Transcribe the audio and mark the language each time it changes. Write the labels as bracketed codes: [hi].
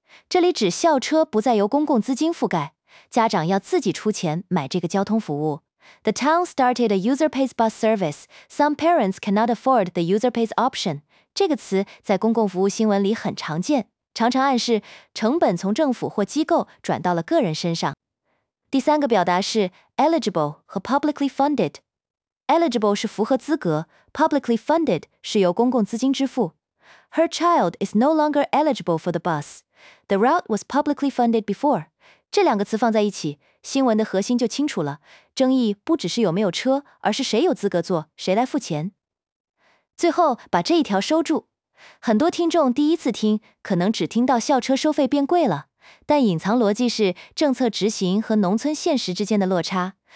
[zh] 这里指校车不再由公共资金覆盖，家长要自己出钱买这个交通服务。 [en] The town started a user pays bus service. Some parents cannot afford the user pays option. [zh] 这个词在公共服务新闻里很常见。常常暗示成本从政府或机构转到了个人身上。第三个表达是 eligible 和 publicly funded。 eligible 是符合资格， publicly funded 是由公共资金支付。 [en] Her child is no longer eligible for the bus. The route was publicly funded before. [zh] 这两个词放在一起，新闻的核心就清楚了。争议不只是有没有车，而是谁有资格坐，谁来付钱。最后把这一条收住。很多听众第一次听，可能只听到校车收费变贵了，但隐藏逻辑是政策执行和农村现实之间的落差。